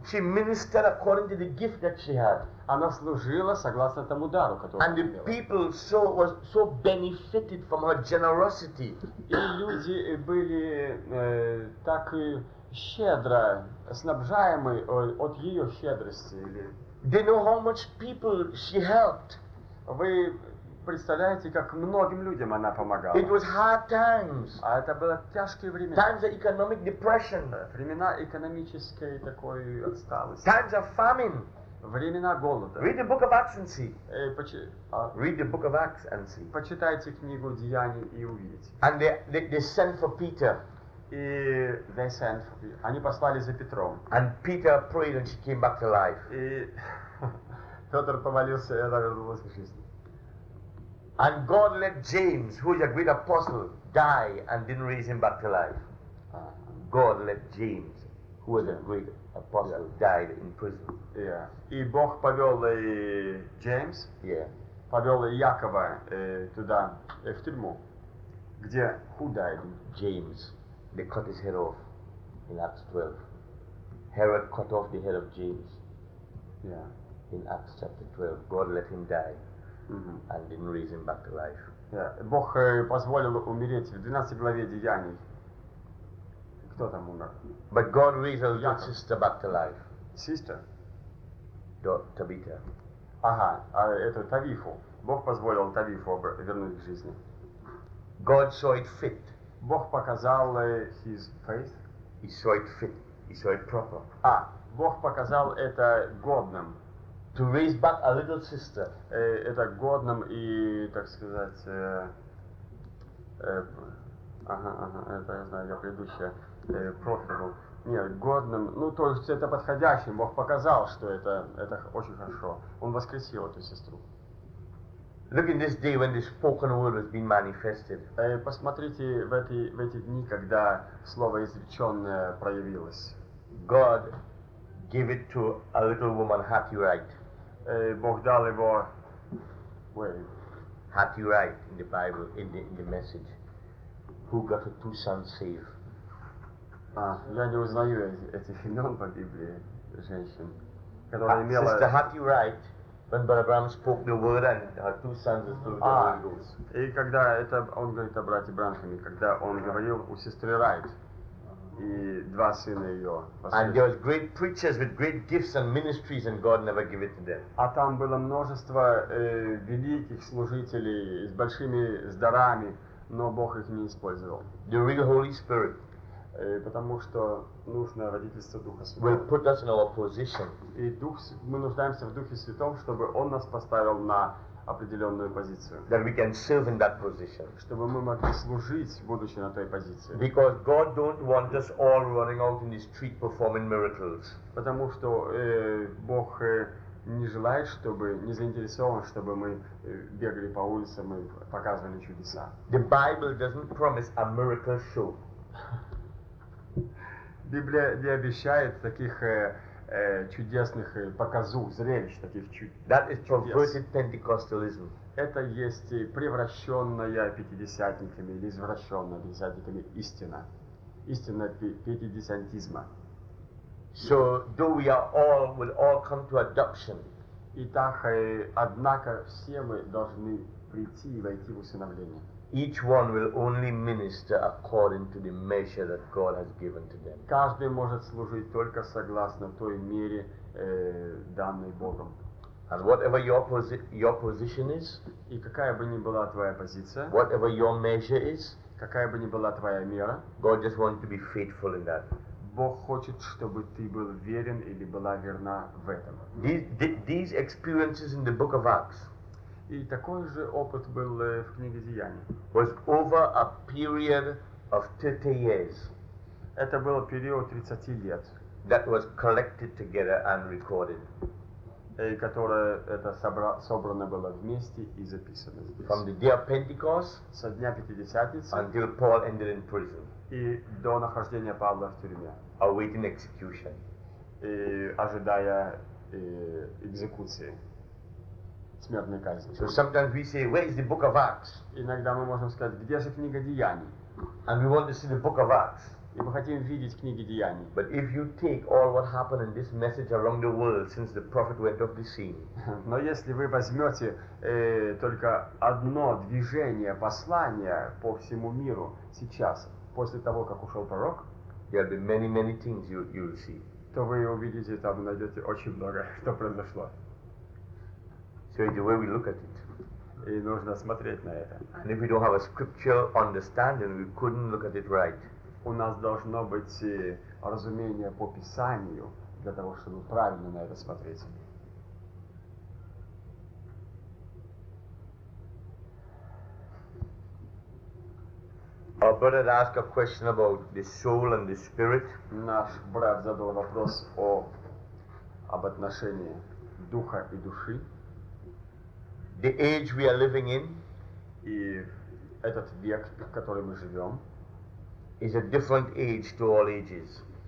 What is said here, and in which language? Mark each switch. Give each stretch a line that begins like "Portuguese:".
English: She ministered according to the gift that she had.
Russian: Она служила согласно тому дару, который.
English: And the people so benefited from her generosity.
Russian: И люди были так щедро снабжаемы от ее щедрости.
English: They know how much people she helped.
Russian: Вы представляете, как многим людям она помогала.
English: It was hard times.
Russian: А это было тяжкие времена.
English: Times of economic depression.
Russian: Времена экономической такой отсталости.
English: Times of famine.
Russian: Времена голода.
English: Read the book of Acts and see. Read the book of Acts and see.
Russian: Почитайте книгу Деяний и увидите.
English: And they sent for Peter.
Russian: И
English: they sent for Peter.
Russian: Они послали за Петром.
English: And Peter prayed and she came back to life.
Russian: И Петр помолился, и она вернулась к жизни.
English: And God let James, who is a great apostle, die and didn't raise him back to life. God let James, who was a great apostle, died in prison. Yeah.
Russian: И Бог повел Джеймс, повел Якова туда, в тюрьму. Где?
English: Who died? James. They cut his head off in Acts 12. Herod cut off the head of James. Yeah. In Acts chapter 12. God let him die. Mm-hmm. And didn't raise him back to life. Yeah.
Russian: Бог позволил умереть в 12 главе Деяний. Кто там умер?
English: But God raised his sister back to life. Sister? Tabitha.
Russian: Ага, а это Тавифу. Бог позволил Тавифу вернуть к жизни.
English: God saw it fit.
Russian: Бог показал
English: his faith. He saw it fit. He saw it proper.
Russian: А, Бог показал это годным.
English: To raise back a little sister.
Russian: Это годным и, так сказать, это я знаю, я предыдущая профилю. Нет, годным, ну то есть это подходящим. Бог показал, что это очень хорошо. Он воскресил эту сестру.
English: Look in this day when the spoken word has been manifested.
Russian: Посмотрите в эти дни, когда слово изреченное проявилось.
English: God gave it to a little woman, Hattie Wright.
Russian: Бог дал его
English: How do you write in the Bible, in the message, who got the two sons saved?
Russian: Я не узнаю этих имен по Библии женщин, которые имела.
English: Sister, how do you write when Brother Branham spoke the word and her two sons were saved?
Russian: И когда это он говорит о брате Бранхаме, когда он говорил у сестры Райт и два сына ее.
English: And there was great preachers with great gifts and ministries, and God never gave it to them.
Russian: А там было множество великих служителей с большими дарами, но Бог их не использовал.
English: The real Holy Spirit.
Russian: Потому что нужно родительство Духа Святого.
English: Will put us in our position.
Russian: И Дух, мы нуждаемся в Духе Святом, чтобы Он нас поставил на определенную позицию.
English: That we can serve in that position.
Russian: Чтобы мы могли служить, будучи на той позиции.
English: Because God don't want us all running out in the street performing miracles.
Russian: Потому что Бог не желает, чтобы, не заинтересован, чтобы мы бегали по улицам и показывали чудеса.
English: The Bible doesn't promise a miracle show.
Russian: Библия не обещает таких чудесных показух, зрелищ, таких чудес.
English: That is perverted Pentecostalism.
Russian: Это есть превращенная пятидесятниками или извращенная пятидесятниками истина. Истина пятидесятизма.
English: So do we all will all come to adoption.
Russian: Итак, однако все мы должны прийти и войти в усыновление.
English: Each one will only minister according to the measure that God has given to them.
Russian: Каждый может служить только согласно той мере, данной Богом.
English: And whatever your position is,
Russian: и какая бы ни была твоя позиция,
English: whatever your measure is,
Russian: какая бы ни была твоя мера,
English: God just wants to be faithful in that.
Russian: Бог хочет, чтобы ты был верен или была верна в этом.
English: These experiences in the Book of Acts.
Russian: И такой же опыт был в книге Деяний.
English: Was over a period of 30 years.
Russian: Это был период 30 лет.
English: That was collected together and recorded.
Russian: И которое это собрано было вместе и записано. Здесь.
English: From the day of Pentecost.
Russian: Со дня Пятидесятницы.
English: Until Paul ended in prison.
Russian: И до нахождения Павла в тюрьме.
English: Awaiting execution.
Russian: И ожидая экзекуции. Смертной казни.
English: So sometimes we say, where is the Book of Acts?
Russian: Иногда мы можем сказать, где же книга Деяний?
English: And we want to see the Book of Acts.
Russian: И мы хотим видеть книги Деяний.
English: But if you take all what happened in this message around the world since the prophet went off the scene.
Russian: Но если вы возьмете только одно движение послания по всему миру сейчас после того, как ушел пророк,
English: there'll be many, many things you'll see.
Russian: То вы увидите там найдете очень много, что произошло.
English: So the way we look at it.
Russian: И нужно смотреть на это.
English: And if we don't have a scriptural understanding, we couldn't look at it right.
Russian: У нас должно быть разумение по Писанию для того, чтобы правильно на это смотреть.
English: Our brother asked a question about the soul and the spirit.
Russian: Наш брат задал вопрос об отношении духа и души.
English: The age we are living in,
Russian: и этот век, в котором мы живем,
English: is a different age to all ages.